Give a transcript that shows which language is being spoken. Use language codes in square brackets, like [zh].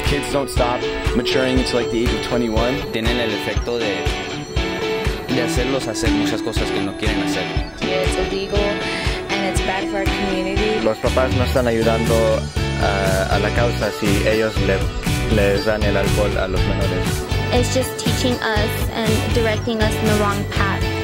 [en] Kids don't stop maturing until like the age of 21. [es] Tienen el efecto de hacerlos hacer muchas cosas que no quieren hacer. [en] Yeah, it's illegal and it's bad for our community. [es] Los papás no están ayudando a la causa si ellos les dan el alcohol a los menores. [en] It's just teaching us and directing us in the wrong path.